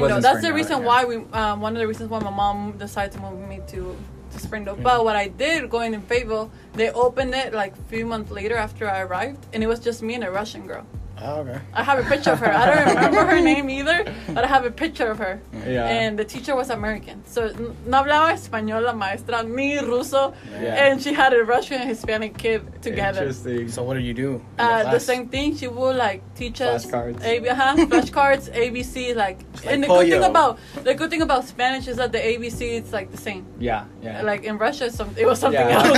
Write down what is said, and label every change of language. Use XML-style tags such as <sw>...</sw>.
<en>Wasn't that's Springdale, the reason why we one of the reasons why my mom decided to move me to Springdale. Yeah. But what I did going in Fayetteville, they opened it like a few months later after I arrived, and it was just me and a Russian girl. Okay. I have a picture of her. I don't remember her name either, but I have a picture of her. Yeah. And the teacher was American.</en> <es>So no hablaba español la maestra, ni ruso.</es> <en>Yeah. And she had a Russian and Hispanic kid together. Interesting. So what do you do? The same thing. She would like teach us flashcards. Flashcards, ABC, like and the good thing about Spanish is that the ABC it's like the same. Yeah. Yeah. Like in Russia it was something else.</en>